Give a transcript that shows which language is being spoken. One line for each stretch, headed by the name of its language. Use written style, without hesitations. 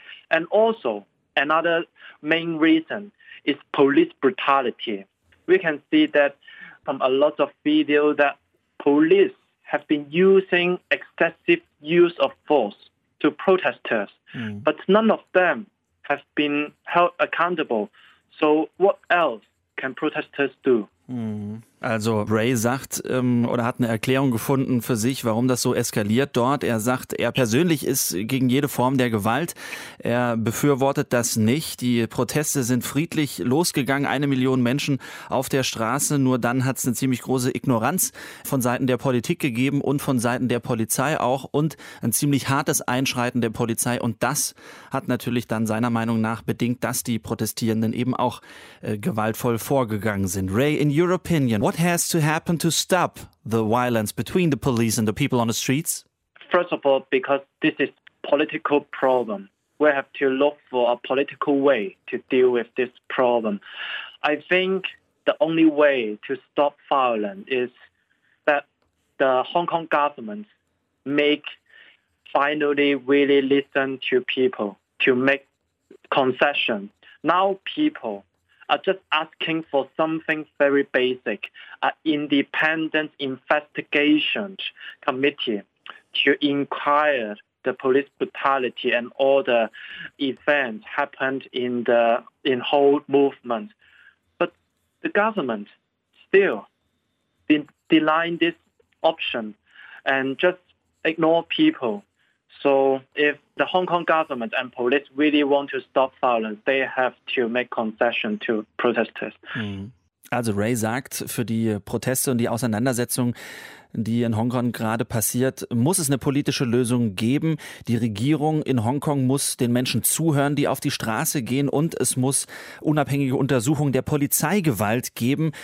English: And also, another main reason is police brutality. We can see that from a lot of videos that police have been using excessive use of force to protesters, but none of them have been held accountable. So what else can protesters do?
German: Also Ray sagt oder hat eine Erklärung gefunden für sich, warum das so eskaliert dort. Er sagt, er persönlich ist gegen jede Form der Gewalt. Er befürwortet das nicht. Die Proteste sind friedlich losgegangen. 1 Million Menschen auf der Straße. Nur dann hat es eine ziemlich große Ignoranz von Seiten der Politik gegeben und von Seiten der Polizei auch und ein ziemlich hartes Einschreiten der Polizei. Und das hat natürlich dann seiner Meinung nach bedingt, dass die Protestierenden eben auch gewaltvoll vorgegangen sind.
English: Ray, in your opinion, what has to happen to stop the violence between the police and the people on the streets? First of all, because this is a political problem. we have to look for a political way to deal with this problem. I think the only way to stop violence is that the Hong Kong government make finally really listen to people, to make concessions. Now people are just asking for something very basic, an independent investigation committee to inquire the police brutality and all the events happened in the whole movement. But the government still denying this option and just ignore people. So if the Hong Kong government and police really want to stop violence, they have to make concession to protesters.
German: Also Ray sagt, für die Proteste und die Auseinandersetzung, die in Hongkong gerade passiert, muss es eine politische Lösung geben. Die Regierung in Hongkong muss den Menschen zuhören, die auf die Straße gehen, und es muss unabhängige Untersuchungen der Polizeigewalt geben.